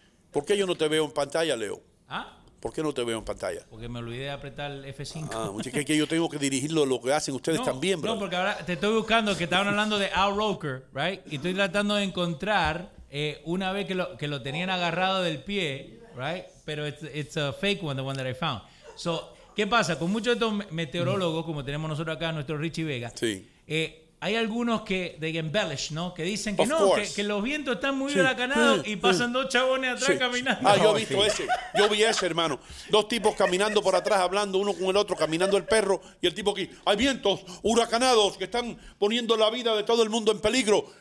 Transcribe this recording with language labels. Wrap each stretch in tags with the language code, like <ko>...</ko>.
<es>¿Por qué yo no te veo en pantalla, Leo? ¿Ah? ¿Por qué no te veo en pantalla? Porque me olvidé de apretar el F5. Ah, es que yo tengo que dirigirlo a lo que hacen ustedes, no, también, bro. No, porque ahora te estoy buscando, que estaban hablando de Al Roker, ¿right? Y estoy tratando de encontrar una vez que lo tenían agarrado del pie.</es> <en>Right,</en> <es>pero</es> <en>it's a fake one, the one that I found.</en> <es>So, ¿qué pasa? Con muchos de estos meteorólogos, como tenemos nosotros acá, nuestro Richie Vega, sí, hay algunos que</es> <en>they embellish,</en> <es>¿no? Que dicen que of no, que los vientos están muy huracanados, sí, y pasan dos chabones atrás, sí, caminando. Ah, yo he visto, sí, ese. Yo vi ese, hermano. Dos tipos caminando por atrás, hablando uno con el otro, caminando el perro, y el tipo aquí, hay vientos huracanados que están poniendo la vida de todo el mundo en peligro.</es>